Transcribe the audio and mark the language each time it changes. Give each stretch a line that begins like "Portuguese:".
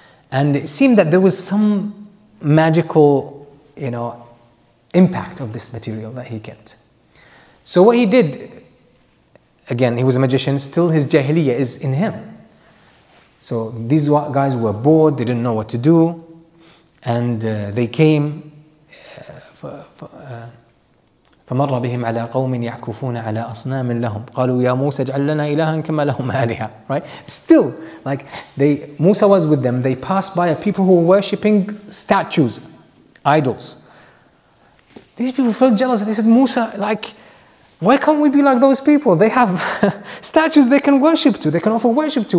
English: And it seemed that there was some magical, you know, impact of this material that he kept. So what he did, again, he was a magician. Still, his jahiliyyah is in him. So these guys were bored. They didn't know what to do. And they came
Arabic: فمر بهم على قوم يعكفون على أصنام لهم قالوا يا موسى اجعل لنا إلها كما لهم آلهة.
English: Right? Still, like, they, Musa was with them. They passed by a people who were worshipping statues, idols. These people felt jealous. They said, Musa, like, why can't we be like those people? They have statues they can worship to. They can offer worship to.